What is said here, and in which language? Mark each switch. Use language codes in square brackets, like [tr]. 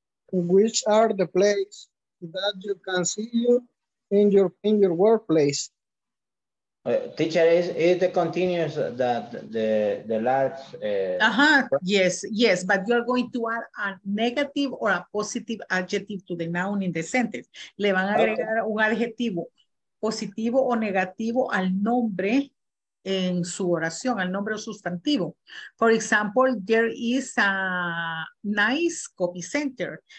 [en] Which are the places that you can see you in your workplace? Teacher, is the continuous that the large? Yes, but you are going to add a negative or a positive adjective to the noun in the sentence. [es] Le van a agregar un adjetivo positivo o negativo al nombre en su oración, al nombre o sustantivo. [en] For example, there is a nice copy center.